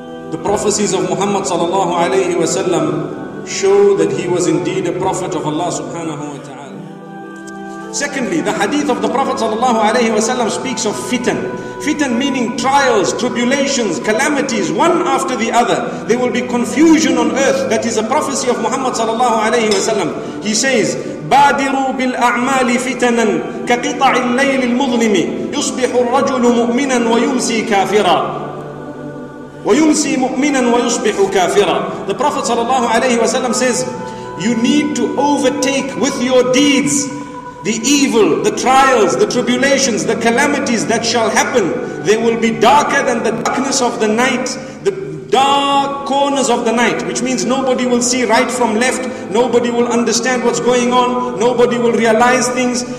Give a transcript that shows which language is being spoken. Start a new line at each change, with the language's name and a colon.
English: The prophecies of Muhammad sallallahu alayhi wa sallam show that he was indeed a prophet of Allah subhanahu wa ta'ala. Secondly, the hadith of the Prophet sallallahu alayhi wa sallam speaks of fitan. Fitan meaning trials, tribulations, calamities, one after the other. There will be confusion on earth. That is a prophecy of Muhammad sallallahu alayhi wa sallam. He says,
Arabic: بادروا بالأعمال فتنا كقطع الليل المظلم يصبح الرجل مؤمنا ويمسي كافرا وَيُمْسِي مُؤْمِنًا وَيُصْبِحُ كَافِرًا.
English: The Prophet sallallahu alayhi wa sallam says, you need to overtake with your deeds the evil, the trials, the tribulations, the calamities that shall happen. They will be darker than the darkness of the night, the dark corners of the night, which means nobody will see right from left, nobody will understand what's going on, nobody will realize things.